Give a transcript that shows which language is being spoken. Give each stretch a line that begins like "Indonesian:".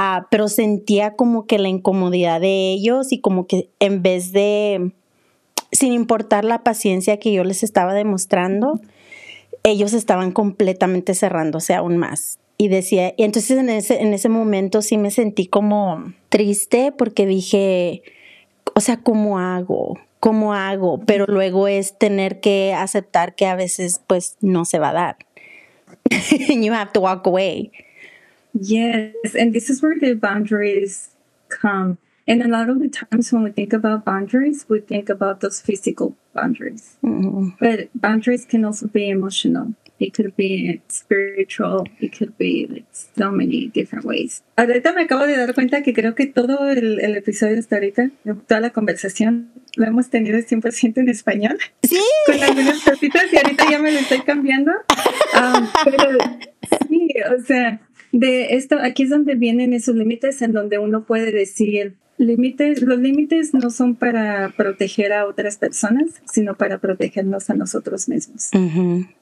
Spanish: pero sentía como que la incomodidad de ellos, y como que en vez de, sin importar la paciencia que yo les estaba demostrando, ellos estaban completamente cerrándose aún más. Y decía, y entonces en ese momento sí me sentí como triste, porque dije, o sea, ¿cómo hago? Pero luego es tener que aceptar que a veces pues no se va a dar.
English: And you have to walk away. Yes, and this is where the boundaries come. And a lot of the times when we think about boundaries, we think about those physical boundaries. Mm-hmm. But boundaries can also be emotional. It could be spiritual, it could be like so many different ways.
Spanish: Ahorita me acabo de dar cuenta que creo que todo el episodio hasta ahorita, toda la conversación, lo hemos tenido 100% en español. Sí. Con algunas cositas, y ahorita ya me lo estoy cambiando. Pero sí, o sea, de esto, aquí es donde vienen esos límites, en donde uno puede decir, los límites no son para proteger a otras personas, sino para protegernos a nosotros mismos. Uh-huh.